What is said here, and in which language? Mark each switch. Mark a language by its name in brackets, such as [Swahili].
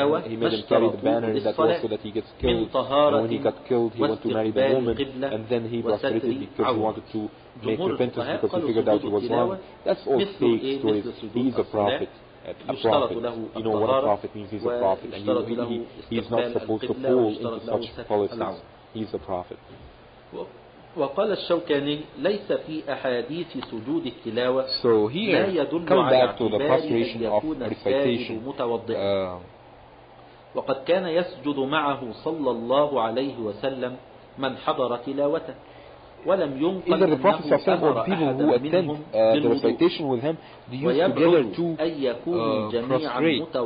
[English] he made him carry the banner that was so that he gets killed and when he got killed he went to marry the woman and then he prostrated because he wanted to make repentance because he figured out he was wrong. That's all fake stories. He's a prophet. A prophet, you know what a prophet means, he's a prophet, and you know, he is not supposed to fall into such policies, he's a prophet. [Arabic] وقال الشوكاني ليس في أحاديث سجود التلاوة [English] so here, [Arabic] لا يدل على اعتبار أن يكون السائل متوضئا وقد كان يسجد معه صلى الله عليه وسلم من حضر تلاوته ولم ينقل [English] either the Prophet [Arabic] صلى الله عليه وسلم [English] or people who attend the recitation with him they used together to prostrate.